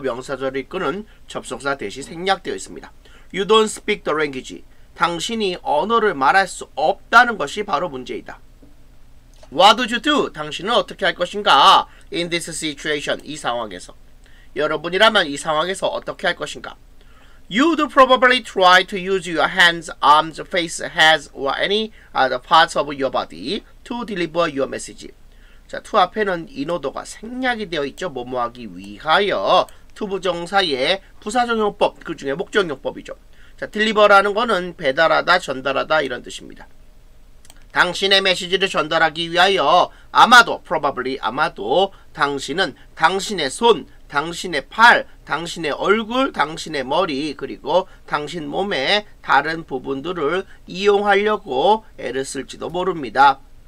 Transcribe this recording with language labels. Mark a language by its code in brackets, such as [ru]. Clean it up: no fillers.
[ko] 명사절이 끄는 접속사 대시 생략되어 있습니다. [en] You don't speak the language. [ko] 당신이 언어를 말할 수 없다는 것이 바로 문제이다. [en] What do you do? [ko] 당신은 어떻게 할 것인가? [en] In this situation, [ko] 이 상황에서. 여러분이라면 이 상황에서 어떻게 할 것인가? [en] You'd probably try to use your hands, arms, face, heads, or any other parts of your body to deliver your message. [ko] 자, to 앞에는 in order가 생략이 되어 있죠. 뭐뭐하기 위하여 to 부정사의 부사정용법, 그 중에 목적용법이죠. 자, deliver라는 거는 배달하다, 전달하다 이런 뜻입니다. 당신의 메시지를 전달하기 위하여 아마도, probably 아마도 당신은 당신의 손, 당신의 팔, 당신의 얼굴, 당신의 머리, 그리고 당신 몸의 다른 부분들을 이용하려고 애를 쓸지도 모릅니다.